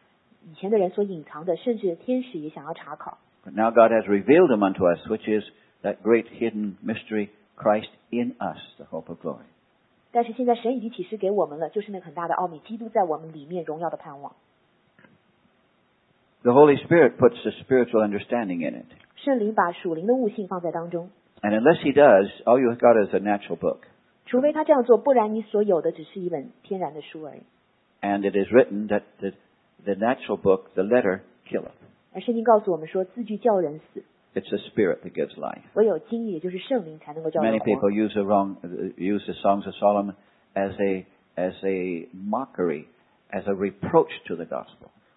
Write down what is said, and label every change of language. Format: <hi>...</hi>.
<zh>保罗说这些事情是向着先知，向着以前的人所隐藏的，甚至天使也想要查考。</zh> <en>But now God has revealed them unto us, which is that great hidden mystery, Christ in us, the hope of glory.</en> <zh>但是现在神已经启示给我们了，就是那很大的奥秘，基督在我们里面荣耀的盼望。</zh> <en>The Holy Spirit puts the spiritual understanding in it.</en> <zh>圣灵把属灵的悟性放在当中。</zh> <en>And unless he does, all you've got is a natural book.</en> <zh>除非他这样做，不然你所有的只是一本天然的书而已。</zh> <en>And it is written that the natural book, the letter, killeth.</en> <zh>而圣经告诉我们说，字句叫人死。</zh> <en>It's the Spirit that gives life. Many people use the Songs of Solomon as a mockery, as a reproach to the gospel.</en>